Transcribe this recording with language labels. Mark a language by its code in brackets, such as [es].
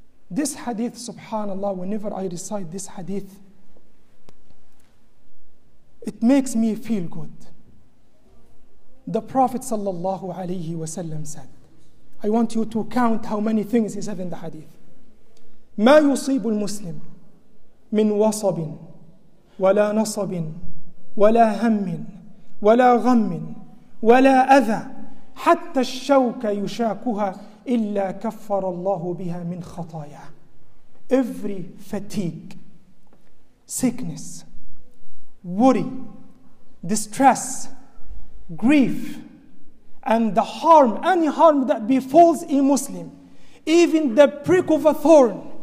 [en] This hadith, subhanAllah, whenever I recite this hadith, it makes me feel good. The Prophet sallallahu alayhi wa sallam said, I want you to count how many things he said in the hadith. [ar] ما يصيب المسلم من وصب ولا نصب ولا هم ولا غم ولا أذى حتى الشوك يشاكها إلا كفر الله بها من خطايا. [en] Every fatigue, sickness, worry, distress, grief, and the harm, any harm that befalls a Muslim, even the prick of a thorn,